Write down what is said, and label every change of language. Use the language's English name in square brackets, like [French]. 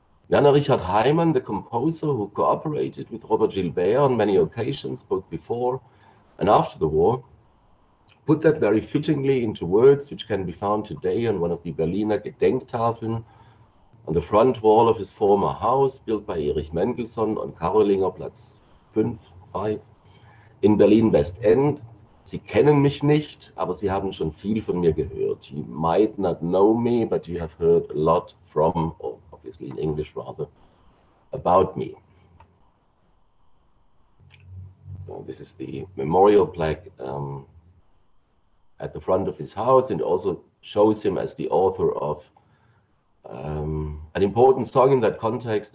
[English] Jan Richard Heimann, the composer who cooperated with Robert Gilbert on many occasions, both before and after the war, put that very fittingly into words which can be found today on one of the Berliner Gedenktafeln on the front wall of his former house, built by Erich Mendelssohn on Karolingerplatz 5 in Berlin West End. [German] Sie kennen mich nicht, aber Sie haben schon viel von mir gehört. [English] You might not know me, but you have heard a lot from, or obviously in English rather, about me. Well, this is the memorial plaque at the front of his house, and also shows him as the author of an important song in that context.